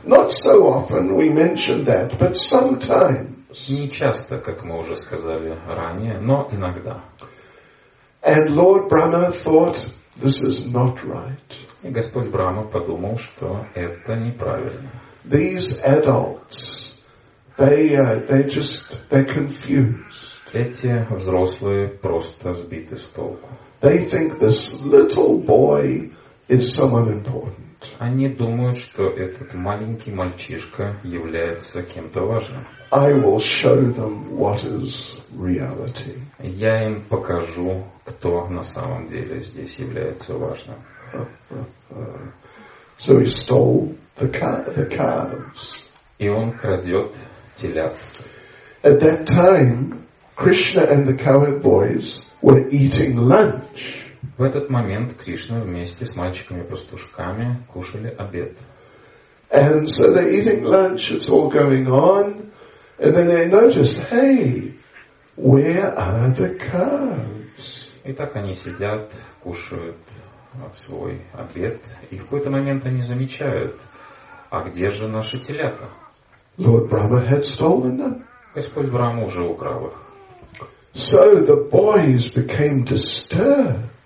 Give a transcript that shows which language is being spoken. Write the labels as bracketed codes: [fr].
[en] Not so often we mention that, but sometimes. [ru] Не часто, как мы уже сказали ранее, но иногда. [en] And Lord Brahma thought, this is not right. [ru] И Господь Брахма подумал, что это неправильно. [en] These adults, they're confused. [ru] Эти взрослые просто сбиты с толку. [en] They think this little boy is someone important. [ru] Они думают, что этот маленький мальчишка является кем-то важным. [en] I will show them what is reality. [ru] Я им покажу, кто на самом деле здесь является важным. [en] So he stole the calves. [ru] И он крадет телят. [en] At that time, Krishna and the cowherd boys were eating lunch. [ru] В этот момент Кришна вместе с мальчиками-пастушками кушали обед. [en] And so they're eating lunch, it's all going on, and then they notice, hey, where are the cows? [ru] И так они сидят, кушают свой обед, и в какой-то момент они замечают, а где же наши телята? [en] Lord Brahma had stolen them. [ru] Господь Брама уже украл их. [en] So the boys became disturbed.